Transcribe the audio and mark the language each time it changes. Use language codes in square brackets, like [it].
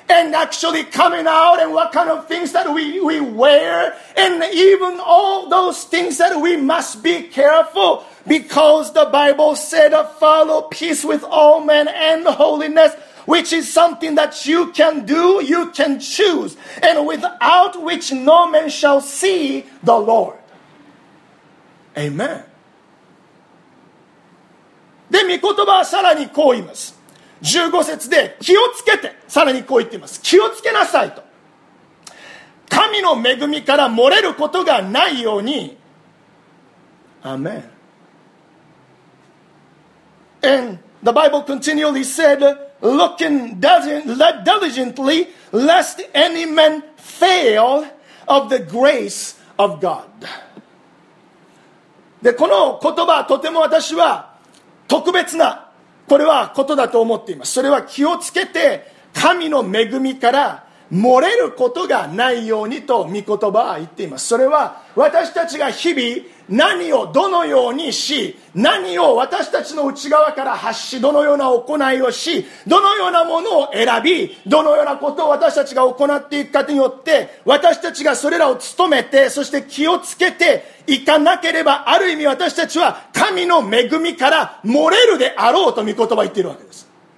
[en] and actually coming out and what kind of things that we wear and even all those things that we must be careful because the Bible said follow peace with all men and holiness, which is something that you can do, you can choose, and without which no man shall see the Lord. Amen. [ja] で、御言葉はさらにこう言います。15節で気をつけて、さらにこう言っています。気をつけなさいと。神の恵みから漏れることがないように。アメン。 [en] And the Bible continually said, looking diligently, lest any man fail of the grace of God. [ja] で、この言葉、とても私は特別な、これはことだと思っています。それは気をつけて神の恵みから漏れることがないようにと御言葉は言っています。それは私たちが日々何をどのようにし、何を私たちの内側から発し、どのような行いをし、どのようなものを選び、どのようなことを私たちが行っていくかによって、私たちがそれらを務めて、そして気をつけていかなければ、ある意味私たちは神の恵みから漏れるであろうと御言葉は言っているわけです。